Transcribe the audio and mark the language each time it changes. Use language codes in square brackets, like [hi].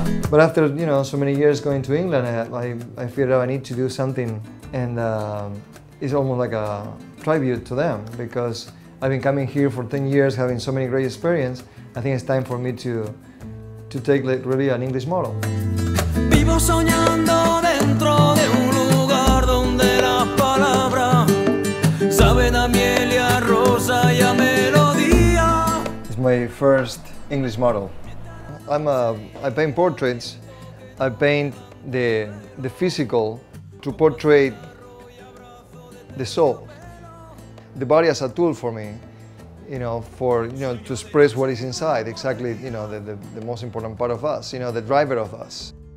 [en] But after, you know, so many years going to England, I figured out I need to do something, and it's almost like a tribute to them, because I've been coming here for 10 years, having so many great experiences. I think it's time for me to take like really an English model. [es] Vivo soñando dentro de un lugar donde la palabra sabe a miel y a rosa y a melodía. [en] It's my first English model. I paint portraits. I paint the physical to portray the soul. The body as a tool for me, you know, to express what is inside, exactly, you know, the most important part of us, you know, the driver of us.